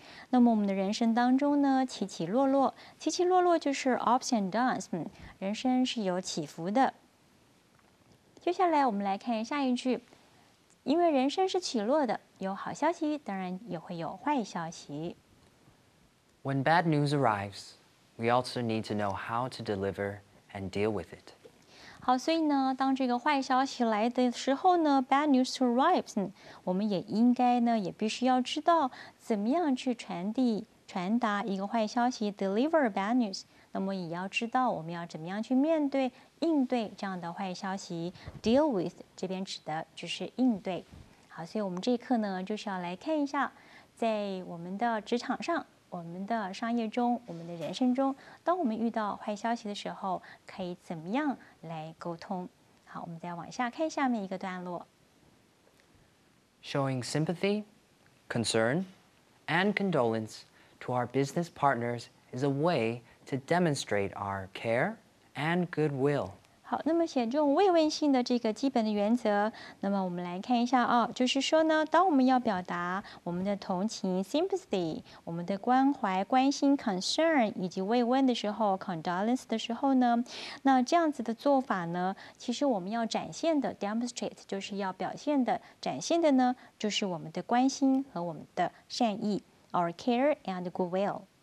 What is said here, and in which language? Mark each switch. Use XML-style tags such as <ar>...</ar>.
<zh>那么我们的人生当中呢，起起落落，起起落落就是</zh> <en>ups and downs。</en> <zh>人生是有起伏的。接下来我们来看下一句。因为人生是起落的，有好消息，当然也会有坏消息。</zh> <en>When bad news arrives, we also need to know how to deliver and deal with it.</en> <zh>好，所以呢，当这个坏消息来的时候呢 ，</zh> <en>bad news arrives，</en> <zh>我们也应该呢，也必须要知道怎么样去传达一个坏消息 ，</zh> <en>deliver bad news。</en> <zh>那么也要知道我们要怎么样去面对。应对这样的坏消息 ，deal with 这边指的就是应对。好，所以我们这一课呢，就是要来看一下，在我们的职场上、我们的商业中、我们的人生中，当我们遇到坏消息的时候，可以怎么样来沟通？好，我们再往下看下面一个段落。</zh> <en>Showing sympathy, concern, and condolence to our business partners is a way to demonstrate our care.And goodwill.</en> <zh>好，那么选中慰问性的这个基本的原则，那么我们来看一下哦，就是说呢，当我们要表达我们的同情 sympathy， 我们的关怀关心 concern， 以及慰问的时候 condolence 的时候呢，那这样子的做法呢，其实我们要展现的 demonstrate 就是要表现的展现的呢，就是我们的关心和我们的善意</zh> <en>our care and goodwill。</en>